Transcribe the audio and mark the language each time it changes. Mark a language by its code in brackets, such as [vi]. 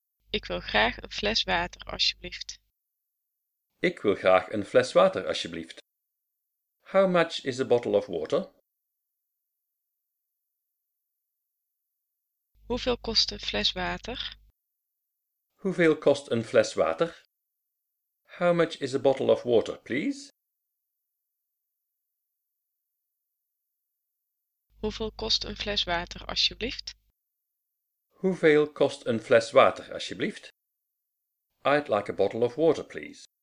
[nl] Ik wil graag een fles water, alsjeblieft. Ik wil graag een fles water, alsjeblieft. [en] How much is a bottle of water? [nl] Hoeveel kost een fles water? Hoeveel kost een fles water? [en] How much is a bottle of water, please? [nl] Hoeveel kost een fles water, alsjeblieft? Hoeveel kost een fles water, alsjeblieft? [en] I'd like a bottle of water, please.